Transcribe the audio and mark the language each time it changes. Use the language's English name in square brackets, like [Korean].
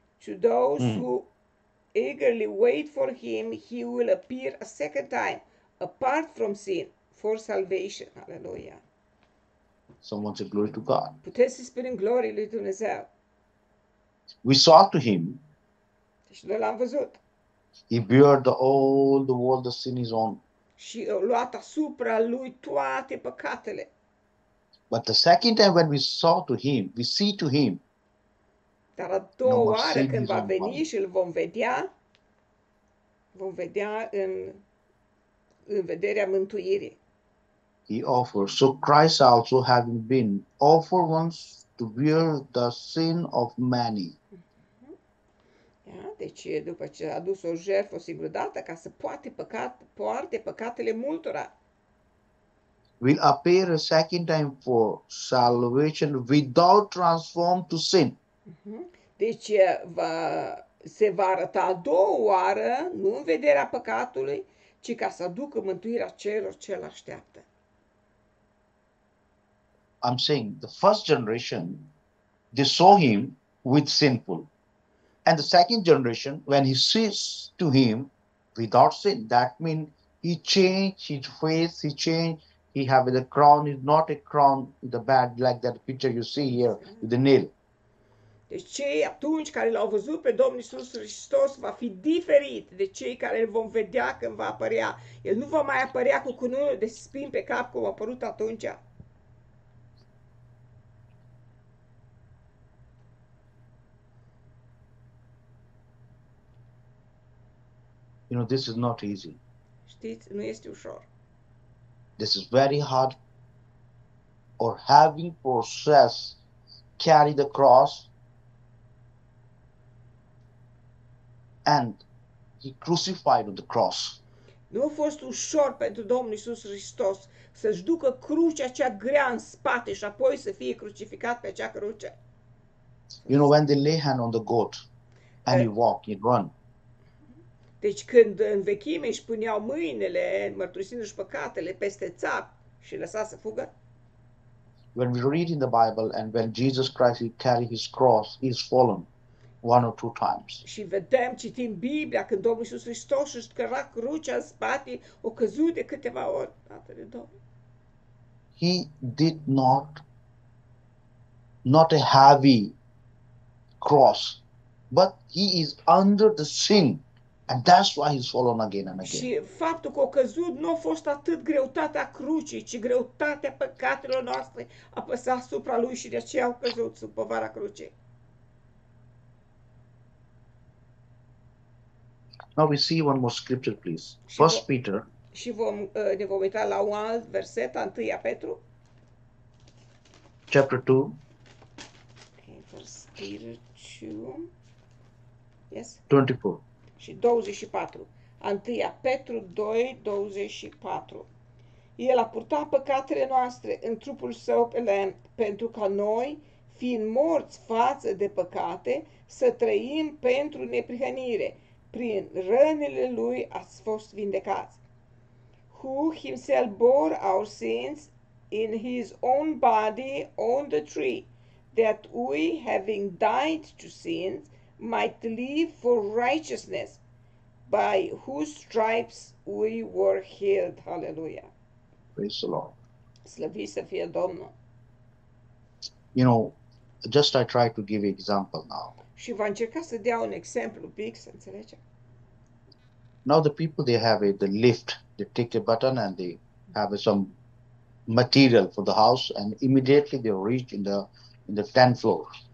[English] To those who eagerly wait for him, he will appear a second time, apart from sin, for salvation. Hallelujah. Someone said, glory to God. [Romanian] Puteți să spunem glory lui Dumnezeu. [English] We saw to him. [Romanian] Și noi l-am văzut. [English] He bore the whole world the sin is on. [Romanian] și a luat asupra lui toate păcatele. [English] But the second time when we saw to him, we see to him. [Romanian] Dar a doua oară când va veni și îl vom vedea, vom vedea în vederea mântuirii. [English] He offers. So Christ also having been offered once to bear the sin of many. [Romanian] Yeah, deci după ce a adus o jertfă o singură dată ca să poarte păcatele multora. [English] Will appear a second time for salvation without transformed to sin. [Romanian] Deci se va arăta a doua oară, nu în vederea păcatului, ci ca să aducă mântuirea celor ce îl așteaptă. [English] I'm saying the first generation, they saw him with sinful. And the second generation, when he sees to him without sin, that means he changed his face, he changed, he have the crown, is not a crown, the bad, like that picture you see here, with the nail. [Romanian] Deci cei atunci care l-au văzut pe Domnul Iisus Hristos va fi diferit de cei care îl vom vedea când va apărea. El nu va mai apărea cu cununul de spin pe cap cum a apărut atunci. [English] You know, this is not easy. [Romanian] Știți, nu este ușor. [English] This is very hard. Or having process carry the cross and he crucified on the cross. [Romanian] Nu a fost ușor pentru Domnul Iisus Hristos să-și ducă crucea cea grea în spate și apoi să fie crucificat pe acea cruce. [English] You know, when they lay hand on the goat and he walk, he run. [Romanian] Deci când în vechime își puneau mâinile, mărturisindu-și păcatele peste țap și lăsa să fugă. [English] When we read in the Bible and when Jesus Christ he carry his cross, he is fallen one or two times. [Romanian] Și vedem, citim Biblia, când Domnul Iisus Hristos își căra crucea în spate, o căzut de câteva ori, Tatăl Domnului. [English] He did not a heavy cross, but he is under the sin. And that's why he's fallen again and again. [Romanian] Și faptul că a căzut nu a fost atât greutatea crucii, ci greutatea păcatelor noastre apăsa asupra lui și de aceea a căzut sub povara crucii. [English] Now we see one more scripture, please. First Peter. [Romanian] Și ne vom uita la un alt verset, 1 Petru. [English] Chapter 2. First Peter 2. Yes. 24. [Romanian] Și 24. 1 Petru 2, 24. El a purtat păcatele noastre în trupul său pe lemn, pentru ca noi, fiind morți față de păcate, să trăim pentru neprihănire. Prin rănile lui ați fost vindecați. [English] Who himself bore our sins in his own body on the tree, that we, having died to sins, might live for righteousness, by whose stripes we were healed. Hallelujah. Praise the Lord. [Romanian] Slăvi să fie Domnul. [English] You know, just I try to give you example now. [Romanian] Și va încerca să dea un exemplu pic, să înțelege. [English] Now the people, they have the lift, they take a button and they have some material for the house and immediately they reach in the 10th floor.